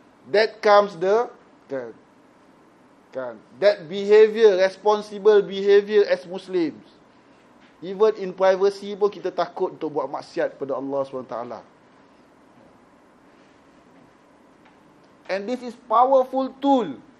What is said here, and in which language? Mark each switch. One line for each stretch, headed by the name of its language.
English: That comes the kan, that behavior, responsible behavior as Muslims. Even in privacy
Malay: pun kita takut untuk buat maksiat kepada Allah SWT.
English: And this is powerful tool.